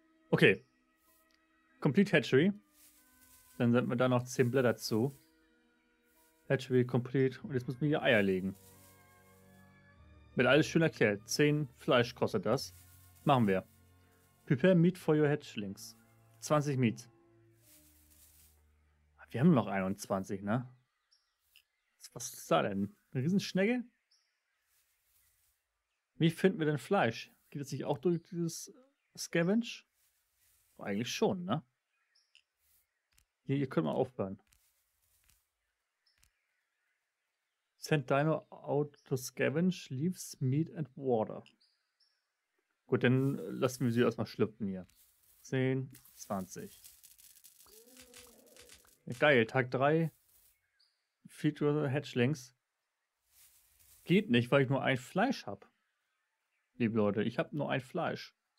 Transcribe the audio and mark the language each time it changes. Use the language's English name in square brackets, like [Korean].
[German] Okay, Complete Hatchery, dann senden wir da noch 10 Blätter zu. Hatchery Complete, und jetzt müssen wir hier Eier legen. Wird alles schön erklärt, 10 Fleisch kostet das. Machen wir. [English] Prepare Meat for your Hatchlings. 20 Meat. [German] Wir haben noch 21, ne? Was ist da denn? Eine Riesenschnecke? Wie finden wir denn Fleisch? Geht das nicht auch durch dieses Scavenge? Eigentlich schon, ne? Hier können wir aufbauen. [English] Send Dino out to scavenge leaves, meat and water. [German] Gut, dann lassen wir sie erstmal schlüpfen hier. 10, 20. Ja, geil, Tag 3. Feature Hatchlings. Geht nicht, weil ich nur ein Fleisch habe. Liebe Leute, ich habe nur ein Fleisch.